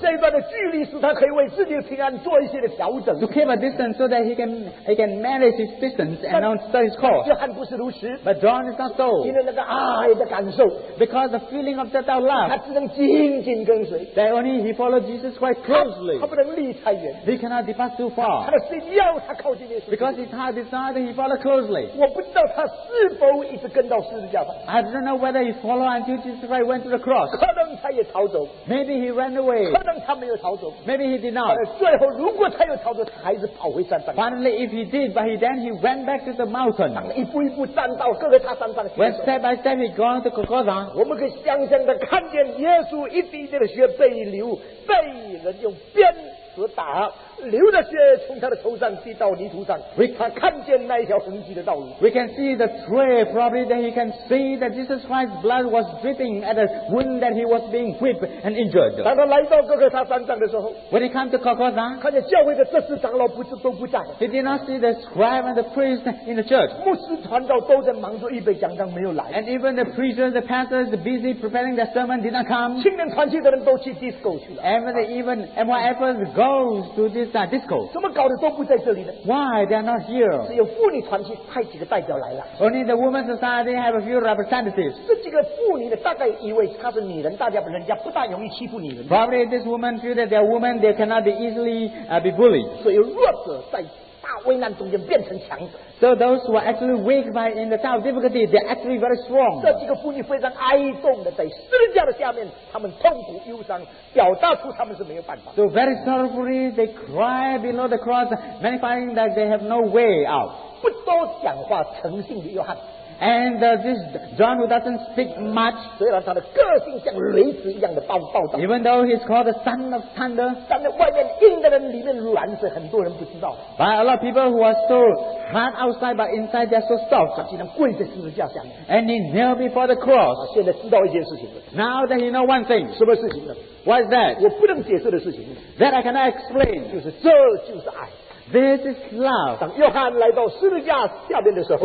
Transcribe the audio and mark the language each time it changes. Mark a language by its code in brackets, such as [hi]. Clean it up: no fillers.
[zh] 这一段的距离使他可以为自己的平安做一些的调整。 [en] To keep a distance so that he can manage his distance and not stay his course. [zh] 约翰不是如此。 [en] But John is not so. [zh] 因为那个爱的感受。 [en] Because the feeling of that love. [zh] 他只能紧紧跟随。 [en] That only he followed Jesus quite closely. [zh] 他不能离太远。 [en] He cannot depart too far. [zh] 他的心要他靠近耶稣。 [en] Because his heart desired he followed closely. [zh] 我不知道他是否一直跟到十字架上。 [en] I don't know whether he followed until Jesus Christ went to the cross. [zh] 可能他也逃走。 [en] Maybe. He ran away. Maybe he did not. [zh] 最后，如果他有逃走，他还是跑回山上。 [en] Finally, if he did, but then he ran back to the mountain. [zh] 一步一步站到各个他山上的。 [en] When step by step he gone to Golgotha. [zh] 我们可以想象的看见耶稣一滴一滴的血被流，被人用鞭子打。流的血从他的头上滴到泥土上，他看见那一条痕迹的道路。 [en] We can see the trail, probably that he can see that Jesus Christ's blood was dripping at the wound that he was being whipped and injured. [zh] 当他来到哥哥他山上的时候 [en] ，When he came to Golgotha, [zh] 看见教会的这些长老不是都不在。 [en] He did not see the scribe and the priest in the church. [zh] 牧师传道都在忙着预备讲章，没有来。 [en] And even the preachers, the pastors, busy preparing their sermon, did not come. [zh] 青年团契的人都去 disco 去了。 [en] And even MYFers goes to this. Disco. [zh] 怎么搞的都不在这里呢 [en] ？Why they are not here？ [zh] 只有妇女团体派几个代表来了。 [en] Only the women's society have a few representatives. [zh] 这几个妇女的大概以为她是女人，大家人家不大容易欺负女人。 [en] Probably this woman feel that they are women, they cannot be easily be bullied. [zh] 所以弱者在大危难中间变成强者。 [en] So those who are actually weak by in the time of difficulty, they are actually very strong. [zh] 这几个妇女非常哀痛的在十字架的下面，她们痛苦忧伤，表达出她们是没有办法。 [en] So very sorrowfully, they cry below the cross, manifesting that they have no way out. [zh] 不多讲话，诚信的约翰。 [en] And this John who doesn't speak much. [zh] 虽然他的个性像雷子一样的暴躁。 [en] Even though he's called the son of thunder. [zh] 但在外面硬的人，里面软是很多人不知道。 [en] But a lot of people who are so hard outside, but inside they're so soft. [zh] 他竟然跪在十字架下面。 [en] And he knelt before the cross. [zh] 他现在知道一件事情了。 [en] Now that he knows one thing. [zh] 什么事情呢 [en] ？What's that? [zh] 我不能解释的事情。 [en] That I cannot explain. [zh] 就是这就是爱。 [en] This is love. [zh] 当约翰来到十字架下面的时候